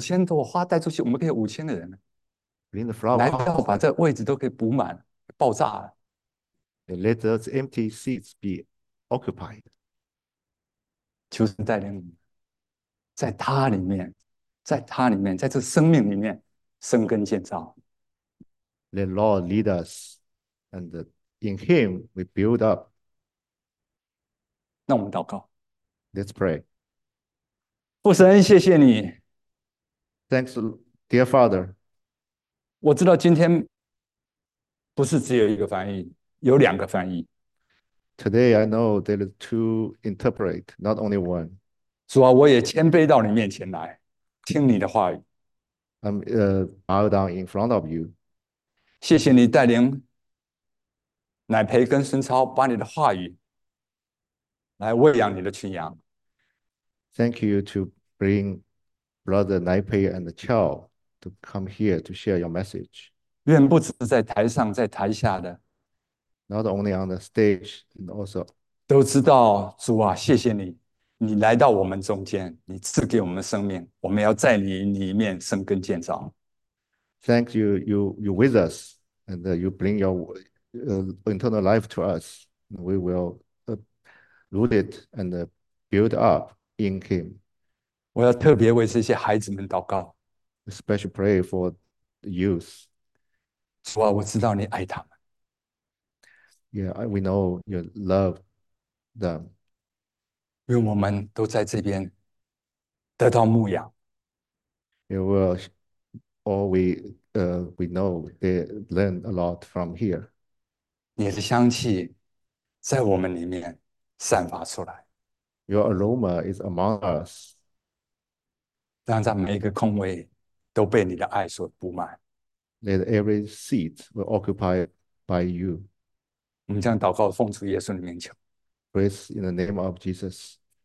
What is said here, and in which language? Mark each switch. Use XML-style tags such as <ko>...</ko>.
<zh>千朵花带出去，我们可以5,000个人</zh> <en>Bring the flower</en> <zh>来到，把</zh> <en>outside.</en> <zh>这位置都给补满，爆炸了。</zh> <en>Let those empty seats be occupied.</en> <zh>求神带领你。在他里面，在他里面，在这生命里面生根建造。</zh> <en>The Lord lead us, and in Him we build up.</en> <zh>那我们祷告，</zh> <en>Let's pray.</en> <zh>父神，谢谢你。</zh> <en>Thanks, dear Father.</en> <zh>我知道今天不是只有一个翻译，有两个翻译。</zh> <en>Today I know there are two interpret, not only one.</en> <zh>主啊，我也谦卑到你面前来，听你的话语。</zh> <en>Bow down in front of you.</en> <zh>谢谢你带领乃培跟孙超，把你的话语来喂养你的群羊。</zh> <en>Thank you to bring Brother Naipei and Chow to come here to share your message.</en> <zh>愿不止在台上，在台下的</zh> <en>Not only on the stage, and also.</en> <zh>都知道主啊，谢谢你，你来到我们中间，你赐给我们生命，我们要在你里面生根建造。</zh> <en>Thank you. You with us, and you bring your internal life to us. We will root it and build up in Him.</en> <zh>我要特别为这些孩子们祷告。</zh> <en>Especially pray for the youth.</en> <zh>主啊，我知道你爱他们。</zh> <en>We know you love them.</en> <zh>愿我们都在这边得到牧养。</zh> <en>You will. All we know, they learn a lot from here.</en> <zh>你的香气在我们里面散发出来，</zh> <en>Your aroma is among us.</en> <zh>让在每一个空位都被你的爱所布满。</zh> <en>Let every seat be occupied by you.</en> <zh>我们这样祷告，奉主耶稣的名求，</zh> <en>Praise in the name of Jesus.</en>